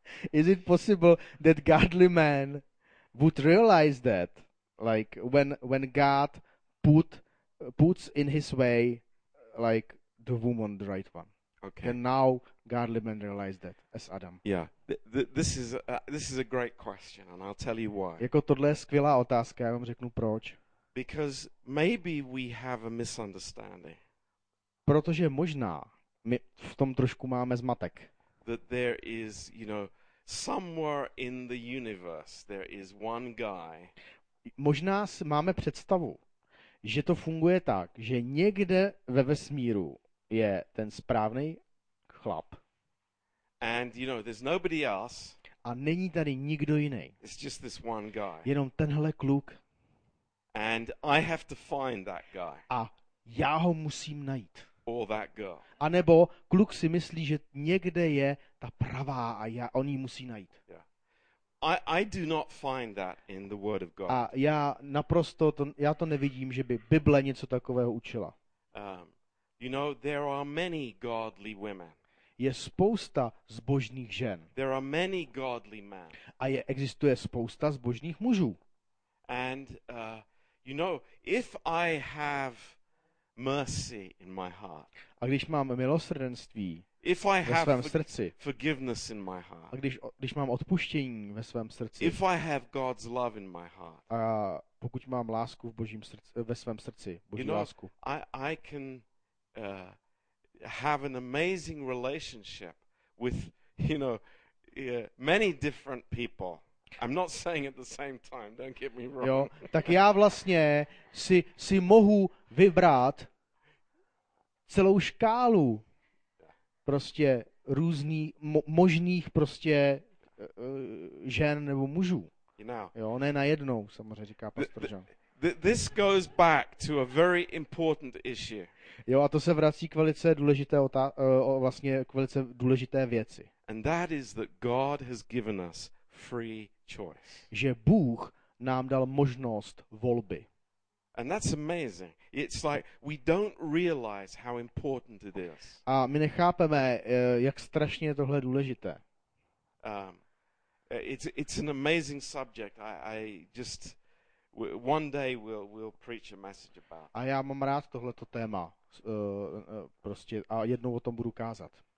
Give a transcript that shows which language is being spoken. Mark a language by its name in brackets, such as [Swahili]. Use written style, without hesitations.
[English] Is it possible that godly man would realize that, like when God puts in his way, like the woman, the right one? Okay. And now godly man realize that as Adam. Yeah. This is a great question, and I'll tell you why. [Czech] Jako tohle je skvělá otázka, já vám řeknu proč. [English] Because maybe we have a misunderstanding. [Czech] Protože možná my v tom trošku máme zmatek. [English] That there is, you know, somewhere in the universe there is one guy. [Czech] Možná máme představu, že to funguje tak, že někde ve vesmíru je ten správný chlap. [English] And you know, there's nobody else. [Czech] A není tady nikdo jiný. [English] It's just this one guy. [Czech] Jenom tenhle kluk. [English] And I have to find that guy. [Czech] A já ho musím najít. [English] Or that girl. [Czech] A nebo kluk si myslí, že někde je ta pravá a já on ji musí najít. [English] Yeah. I do not find that in the word of God. [Czech] A já naprosto to, já to nevidím, že by Bible něco takového učila. [English] You know, there are many godly women. [Czech] Je spousta zbožných žen. [English] There are many godly men. [Czech] A existuje spousta zbožných mužů. [English] And you know, if I have mercy in my heart. [Czech] A když mám milosrdenství [English] if I [Czech] ve svém srdci. [English] Forgiveness in my heart. [Czech] A když mám odpuštění ve svém srdci. [English] If I have God's love in my heart. [Czech] A pokud mám lásku v Božím srdci, ve svém srdci, Boží [English] you know, [Czech] lásku. [English] I can have an amazing relationship with, you know, many different people. I'm not saying at the same time, don't get me wrong. [Czech] Jo, tak já vlastně si mohu vybrat celou škálu prostě různých možných prostě žen nebo mužů. Jo, ne najednou, samozřejmě říká pastor John. [English] This goes back to a very important issue. [Czech] Jo, a to se vrací k velice důležité vlastně k velice důležité věci. [English] And that is that God has given us free choice. [Czech] Že Bůh nám dal možnost volby. [English] And that's amazing. It's like we don't realize how important it is. [Czech] A my nechápeme, jak strašně je tohle důležité. [English] It's an amazing subject. I just one day we'll preach a message about. [Czech] A já mám rád tohleto téma. Prostě a jednou o tom budu kázat.